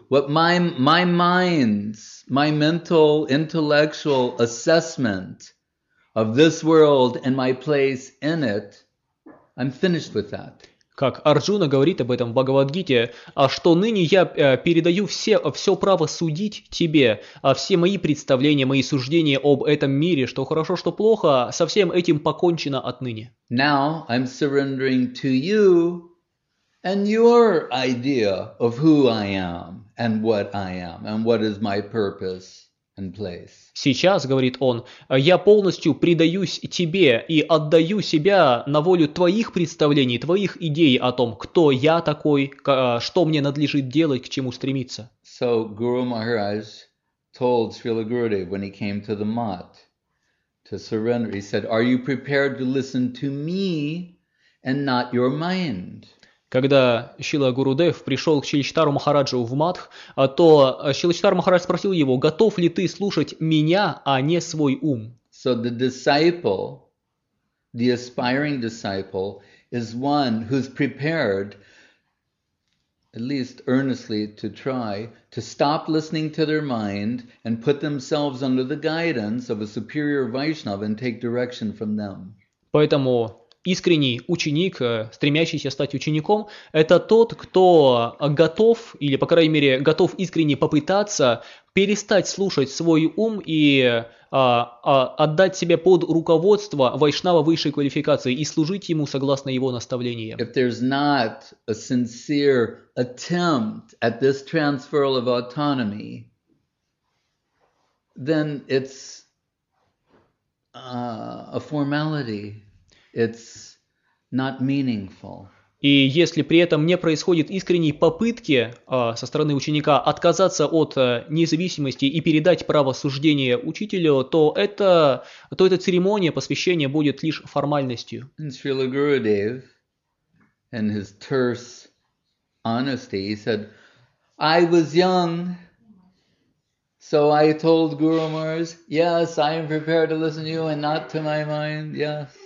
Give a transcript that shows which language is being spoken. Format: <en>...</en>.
<en>What my mind's, my mental, intellectual assessment of this world and my place in it, I'm finished with that.</en> <ru>Как Арджуна говорит об этом в Бхагавадгите, а что ныне я передаю все право судить тебе, а все мои представления, мои суждения об этом мире, что хорошо, что плохо, со всем этим покончено отныне.</ru> <en>Now I'm surrendering to you and your idea of who I am and what I am and what is my purpose.</en> <ru>Сейчас, говорит он, я полностью предаюсь тебе и отдаю себя на волю твоих представлений, твоих идей о том, кто я такой, что мне надлежит делать, к чему стремиться.</ru> <en>So Guru Maharaj told Srila Gurudev when he came to the mat to surrender, he said, are you prepared to listen to me and not your mind?</en> <ru>Когда Шрила Гурудев пришел к Шиличтару Махараджу в Матх, то Шиличтар Махарадж спросил его, готов ли ты слушать меня, а не свой ум.</ru> <en>So the disciple, the aspiring disciple, is one who's prepared, at least earnestly, to try to stop listening to their mind and put themselves under the guidance of a superior Vaishnava and take direction from them.</en> <ru>Поэтому искренний ученик, стремящийся стать учеником, это тот, кто готов, или, по крайней мере, готов искренне попытаться перестать слушать свой ум и отдать себя под руководство вайшнава высшей квалификации и служить ему согласно его наставлениям.</ru> <en>If there's not a sincere attempt at this transfer of autonomy, then it's a formality. It's not meaningful.</en> <ru>И если при этом не происходит искренней попытки со стороны ученика отказаться от независимости и передать право суждения учителю, то эта церемония посвящения будет лишь формальностью.</ru> <en>And Srila Gurudev, in his terse honesty, he said, I was young, so I told Guru Maharaj, yes, I am prepared to listen to you and not to my mind, yes.</en>